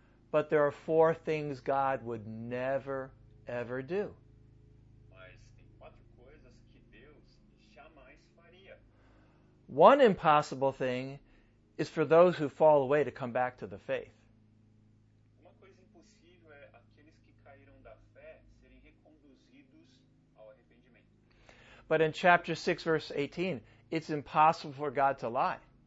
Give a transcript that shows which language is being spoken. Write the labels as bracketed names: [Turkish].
[English] But there are four things God would never, ever do. [Portuguese] Mas tem quatro coisas que Deus jamais faria. [English] One impossible thing is for those who fall away to come back to the faith. [Portuguese] Uma coisa impossível é aqueles que caíram da fé serem reconduzidos ao arrependimento. [English] But in chapter 6, verse 18, it's impossible for God to lie.